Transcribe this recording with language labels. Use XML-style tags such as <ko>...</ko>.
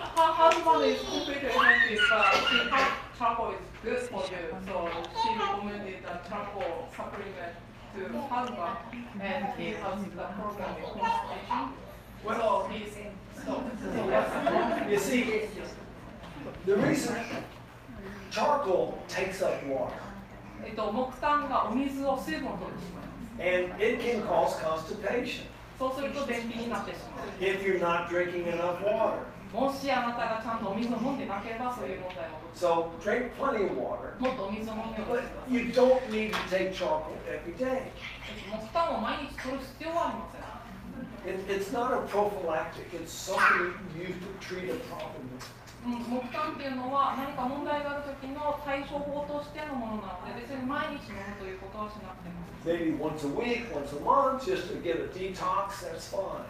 <en>Her husband is completely healthy, but she had charcoal is good for you, so she recommended a charcoal supplement to husband, and he has the problem with constipation. Well, so he's stopped. You see, the reason charcoal takes up water.</en> <ja>木炭がお水を水分を取ってしまいます。</ja> <en>And it can cause constipation.</en> <ja>そうすると便秘になってしまう。</ja> <en>If you're not drinking enough water.</en> <ja>もしあなたがちゃんとお水を飲んでなければそういう問題が起こる。</ja> <en>So drink plenty of water.</en> <ja>もっとお水を飲んでください</ja> <en>But you don't need to take chocolate every day.</en> <ja>もちろん毎日取る必要はありません。</ja> <en>It's not a prophylactic. It's something used to treat a problem.</en> <ja>木炭っていうのは何か問題がある時の対処法としてのものなので、別に毎日飲むということはしなくても。</ja> <en>Maybe once a week, once a month, just to get a detox. That's fine.</en>